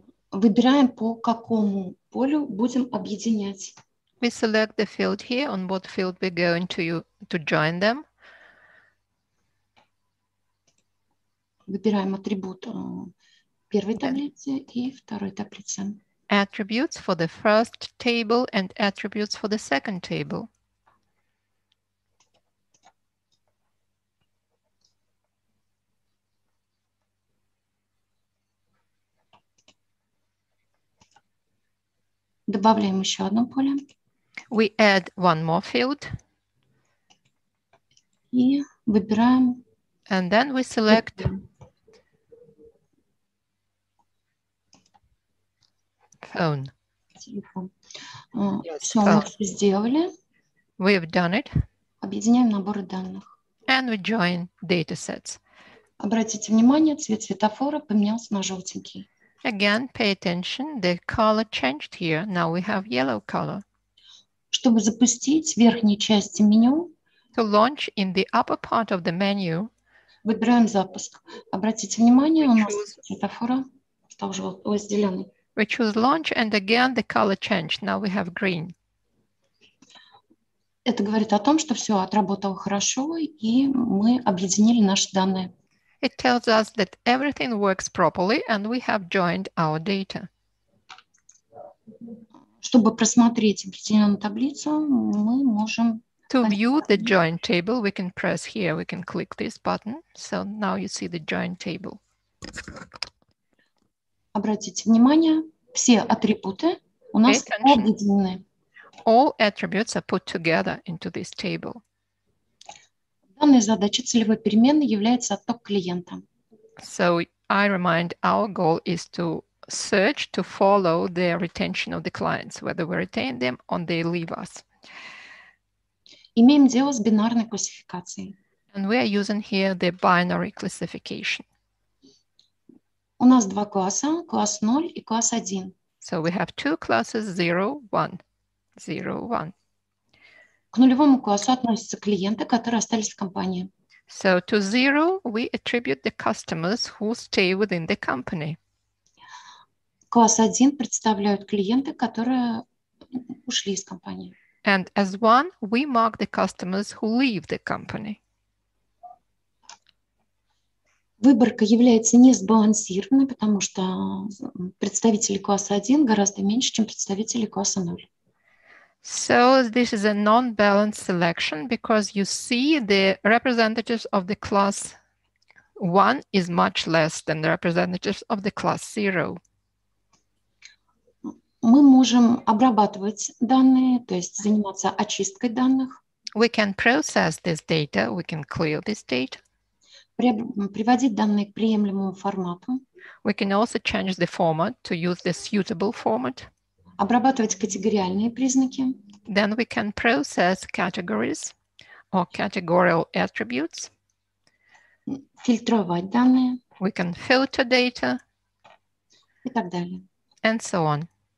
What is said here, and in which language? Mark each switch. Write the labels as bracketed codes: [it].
[ru] Выбираем, по какому полю будем объединять. [en] We select the field here, on what field we're going to join them. [ru] Выбираем атрибут первой таблицы и второй таблицы. [en] Attributes for the first table and attributes for the second table. [ru] Добавляем еще одно поле. [en] We add one more field. [ru] И выбираем. [en] And then we select phone. [ru] Телефон. [en] Yes, [ru] все, phone. Мы все сделали. [en] We have done it. [ru] Объединяем наборы данных. [en] And we join data sets. [ru] Обратите внимание, цвет светофора поменялся на желтенький. [en] Again, pay attention. The color changed here. Now we have yellow color. [ru] Чтобы запустить верхнюю часть меню, [en] to launch in the upper part of the menu, [ru] выбираем запуск. Обратите внимание, у нас светофора стал зеленый. [en] We choose launch, and again the color changed. Now we have green. [ru] Это говорит о том, что все отработало хорошо, и мы объединили наши данные. [en] It tells us that everything works properly and we have joined our data. [ru] Чтобы просмотреть объединенную таблицу, мы можем... [en] To view the joined table, we can press here, we can click this button. So now you see the joined table. [ru] Обратите внимание, все атрибуты у нас объединены. [en] All attributes are put together into this table. [ru] Главной задачей целевой переменной является отток клиента. [en] So I remind our goal is to search to follow the retention of the clients, whether we retain them or they leave us. [ru] Имеем дело с бинарной классификацией. [en] And we are using here the binary classification. [ru] У нас два класса, класс 0 и класс 1. [en] So we have two classes, 0, 1, 0, 1. [ru] К нулевому классу относятся клиенты, которые остались в компании. [en] So to zero we attribute the customers who stay within the company. [ru] Класс 1 представляют клиенты, которые ушли из компании. [en] And as one, we mark the customers who leave the company. [ru] Выборка является несбалансированной, потому что представители класса 1 гораздо меньше, чем представители класса 0. [en] So this is a non-balanced selection because you see the representatives of the class 1 is much less than the representatives of the class 0. [ru] Мы можем обрабатывать данные, то есть заниматься очисткой данных. [en] We can process this data, we can clear this data. [ru] Приводить данные к приемлемому формату. [en] We can also change the format to use the suitable format. [ru] Обрабатывать категориальные признаки. [en] Then we can process categories or categorical attributes. [ru] Фильтровать данные. [en] We can filter data. [ru] И так далее. [en] And so on.